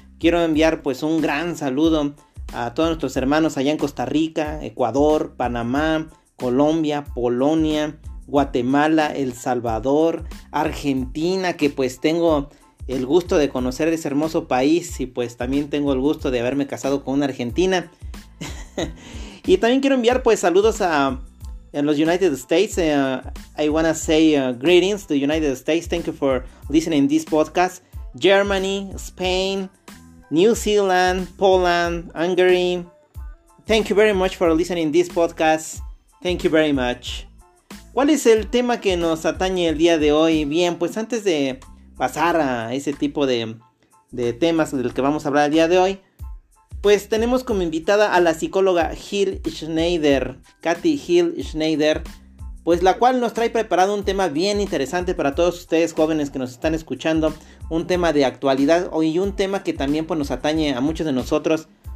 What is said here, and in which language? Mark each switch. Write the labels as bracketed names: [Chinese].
[Spanish] Quiero enviar pues un gran saludo a todos nuestros hermanos allá en Costa Rica, Ecuador, Panamá, Colombia, Polonia, Guatemala, El Salvador, Argentina, que pues tengo el gusto de conocer ese hermoso país y pues también tengo el gusto de haberme casado con una argentina. Y también quiero enviar pues saludos a los United States. [English] I wanna say greetings to United States. Thank you for listening this podcast. Germany, Spain, New Zealand, Poland, Hungary. Thank you very much for listening this podcast. Thank you very much. [Spanish] ¿Cuál es el tema que nos atañe el día de hoy? Bien, pues antes de pasar a ese tipo de temas del que vamos a hablar el día de hoy, pues tenemos como invitada a la psicóloga Jill Schneider, Kathy Jill Schneider, pues la cual nos trae preparado un tema bien interesante para todos ustedes jóvenes que nos están escuchando, un tema de actualidad y un tema que también pues nos atañe a muchos de nosotros,